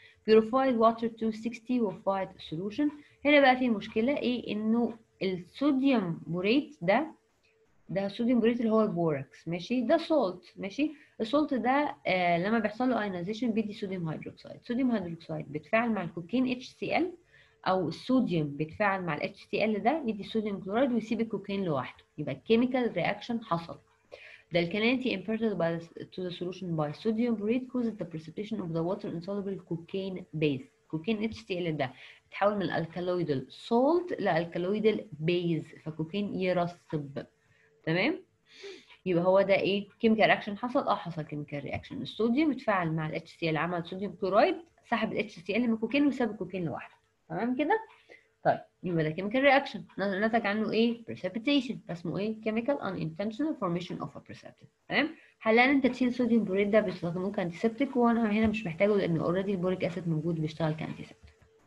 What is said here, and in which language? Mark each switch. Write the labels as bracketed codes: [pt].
[ar] بيوريفايد ووتر 260 وفايت سولوشن. هنا بقى في مشكله ايه؟ انه الصوديوم بوريت ده الصوديوم بوريت اللي هو البوركس، ماشي؟ ده سولت، ماشي؟ السولت ده لما بيحصل له ايونيزيشن بيدي صوديوم هيدروكسيد. صوديوم هيدروكسيد بيتفاعل مع الكوكين اتش سي ال، او الصوديوم بيتفاعل مع الاتش سي ال ده يدي صوديوم كلورايد ويسيب الكوكين لوحده، يبقى الكيميكال رياكشن حصل. [en] The alkalinity imparted by to the solution by sodium borate causes the precipitation of the water insoluble cocaine base. [ar] Cocaine HCl ده تحول من alkaloidal salt ل alkaloidal base، فكوكين يرسب، تمام؟ يبقى هو ده ايه؟ chemical reaction حصل. حصل chemical reaction، الصوديوم اتفاعل مع HCl عمل صوديوم كلورايد، سحب HCl من الكوكين وساب الكوكين لوحده، تمام كده؟ طيب يبقى ده chemical reaction نتج عنه ايه؟ precipitation، فاسمه ايه؟ [en] chemical unintentional formation of a precipitate، [ar] تمام؟ هلا انت تشيل صوديوم بوريت ده بيستخدموه كانتيسبتيك، وانا هنا مش محتاجه لان اوريدي البوريك اسيد موجود بيشتغل كانتيسبتيك.